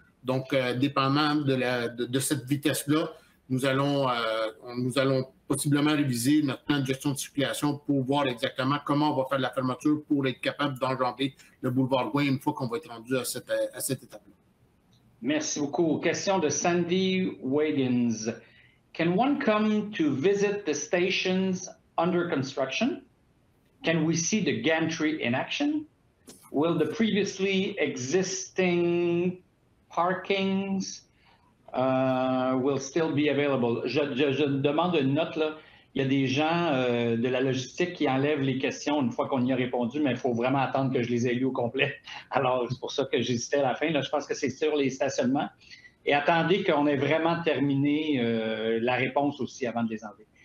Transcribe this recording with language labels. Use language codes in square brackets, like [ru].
[fr] Donc, dépendamment de cette vitesse-là, nous allons possiblement réviser notre plan de gestion de circulation pour voir exactement comment on va faire la fermeture pour être capable d'enjamber le boulevard Gouin une fois qu'on va être rendu à cette étape-là. Merci beaucoup. Question de Sandy Wiggins. [en] Can one come to visit the stations under construction? Can we see the gantry in action? Will the previously existing parkings will still be available? [fr] Je demande une note là. Il y a des gens de la logistique qui enlèvent les questions une fois qu'on y a répondu, mais il faut vraiment attendre que je les ai lues au complet. Alors, c'est pour ça que j'hésitais à la fin. Là, je pense que c'est sur les stationnements. Et attendez qu'on ait vraiment terminé la réponse aussi avant de les enlever.